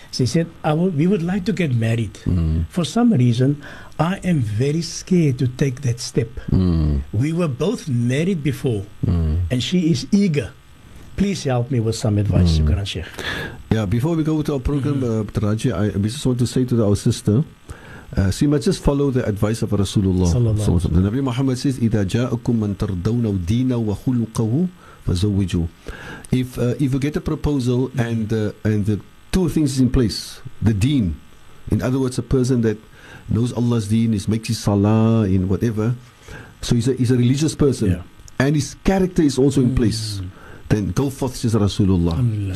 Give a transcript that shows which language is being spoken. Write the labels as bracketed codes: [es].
[en] She said, we would like to get married. For some reason, I am very scared to take that step. We were both married before, and she is eager. Please help me with some advice, Shukran Sheikh. Yeah, before we go to our program, Taraji, we just want to say to our sister, see, must just follow the advice of Rasulullah. The Nabi Muhammad says, [ar] إِذَا جَاءَكُمْ مَنْ تَرْضَوْنَ دِينَ وَخُلُقَهُ فَزَوِّجُوا. [en] If you get a proposal and the two things in place, the deen, in other words, a person that knows Allah's deen, is makes his salah in whatever, so he's a religious person, and his character is also in place, then go forth, says Rasulullah.